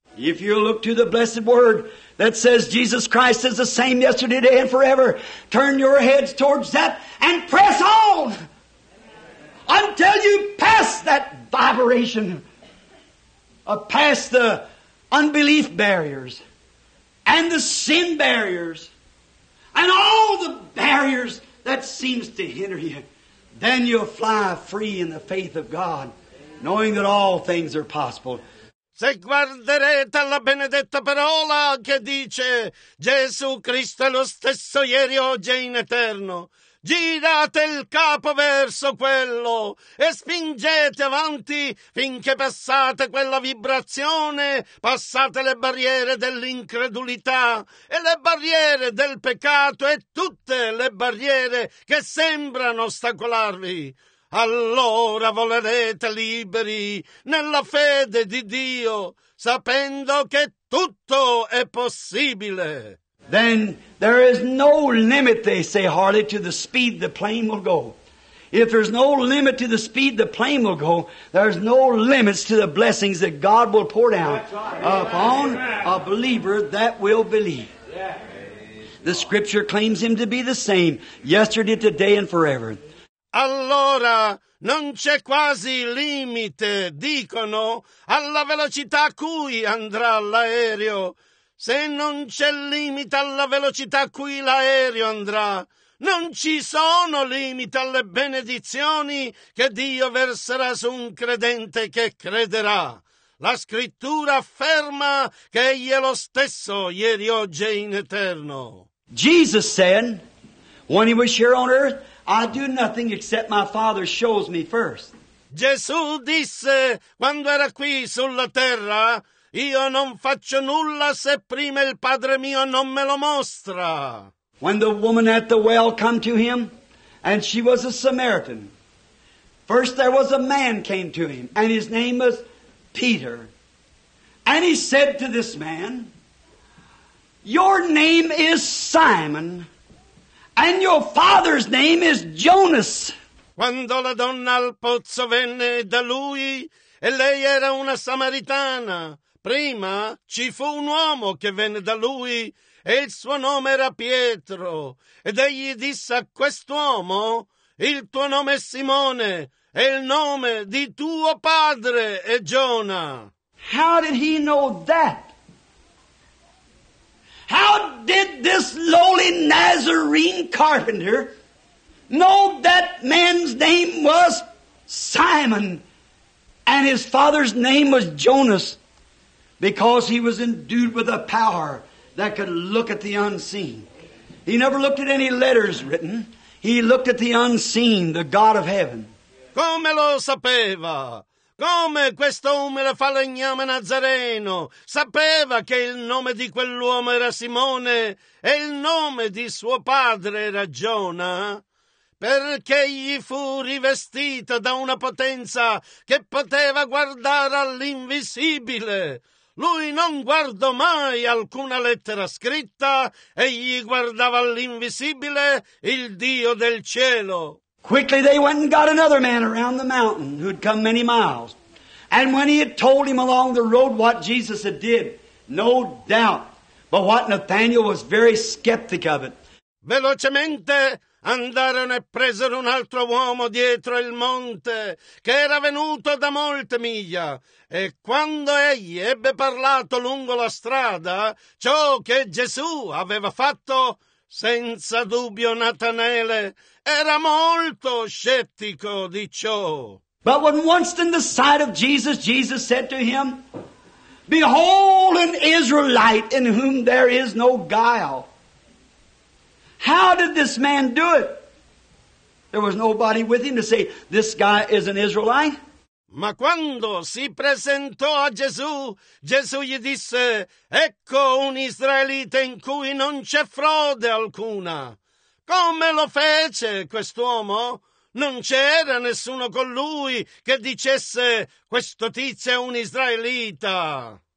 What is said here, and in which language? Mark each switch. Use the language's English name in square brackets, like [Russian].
[English] If you look to the blessed word that says Jesus Christ is the same yesterday, today and forever, turn your heads towards that and press on. until you pass that vibration, pass the unbelief barriers and the sin barriers and all the barriers that seems to hinder you, then you'll fly free in the faith of God, knowing that all things are possible. [Italian] Se guarderete alla benedetta parola che dice Gesù Cristo è lo stesso ieri, oggi e in eterno, girate il capo verso quello e spingete avanti finché passate quella vibrazione, passate le barriere dell'incredulità e le barriere del peccato e tutte le barriere che sembrano ostacolarvi. Allora volerete liberi nella fede di Dio, sapendo che tutto è possibile. [English] Then there is no limit, they say, hardly, to the speed the plane will go. If there's no limit to the speed the plane will go, there's no limits to the blessings that God will pour down upon a believer that will believe. The Scripture claims him to be the same yesterday, today, and forever. [Italian] Allora, non c'è quasi limite, dicono, alla velocità a cui andrà l'aereo. Se non c'è limite alla velocità a cui l'aereo andrà, non ci sono limiti alle benedizioni che Dio verserà su un credente che crederà. La Scrittura afferma che Egli è lo stesso ieri, oggi e in eterno. [English] Jesus said, when he was here on earth, I do nothing except my Father shows me first. [Italian] Gesù disse, quando era qui sulla terra, io non faccio nulla se prima il Padre mio non me lo mostra. [English] When the woman at the well come to him, and she was a Samaritan, first there was a man came to him, and his name was Peter. And he said to this man, your name is Simon. And your father's name is Jonas. [Italian] Quando la donna al pozzo venne da lui, e lei era una samaritana, prima ci fu un uomo che venne da lui, e il suo nome era Pietro. Ed egli disse a quest'uomo, il tuo nome è Simone, e il nome di tuo padre è Giona. [English] How did he know that? How did this lowly Nazarene carpenter know that man's name was Simon and his father's name was Jonas? Because he was endued with a power that could look at the unseen. He never looked at any letters written. He looked at the unseen, the God of heaven. [Italian] Come lo sapeva? Come questo umile falegname Nazareno sapeva che il nome di quell'uomo era Simone e il nome di suo padre era Giona? Perché gli fu rivestito da una potenza che poteva guardare all'invisibile. Lui non guardò mai alcuna lettera scritta e gli guardava all'invisibile il Dio del cielo. [English] Quickly they went and got another man around the mountain who had come many miles. And when he had told him along the road what Jesus had did, no doubt, but what Nathanael was very skeptic of it. [Italian] Velocemente andarono e presero un altro uomo dietro il monte che era venuto da molte miglia. E quando egli ebbe parlato lungo la strada ciò che Gesù aveva fatto, senza dubbio Natanaele era molto scettico di ciò. [English] But when once in the sight of Jesus, Jesus said to him, behold an Israelite in whom there is no guile. How did this man do it? There was nobody with him to say, this guy is an Israelite. [Italian] Ma quando si presentò a Gesù, Gesù gli disse, ecco un Israelita in cui non c'è frode alcuna. Come lo fece quest'uomo? Non c'era nessuno con lui che dicesse, questo tizio è un Israelita.